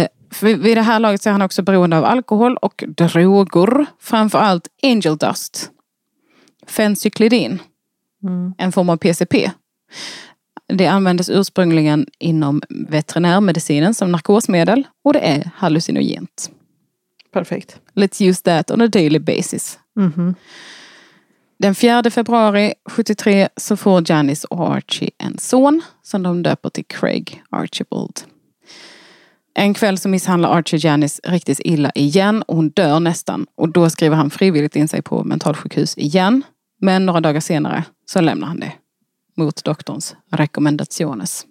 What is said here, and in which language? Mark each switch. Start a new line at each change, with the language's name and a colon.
Swedish: För vid det här laget så är han också beroende av alkohol och droger. Framför allt angel dust. Fencyklidin. Mm. En form av PCP. Det användes ursprungligen inom veterinärmedicinen som narkosmedel. Och det är hallucinogent. Perfekt.
English: Let's use that on a daily basis. Mm-hmm.
Swedish: Den 4 februari 73 så får Janice och Archie en son som de döper till Craig Archibald. En kväll så misshandlar Archie Janice riktigt illa igen och hon dör nästan. Och då skriver han frivilligt in sig på mentalsjukhus igen. Men några dagar senare så lämnar han det mot doktorns rekommendationer.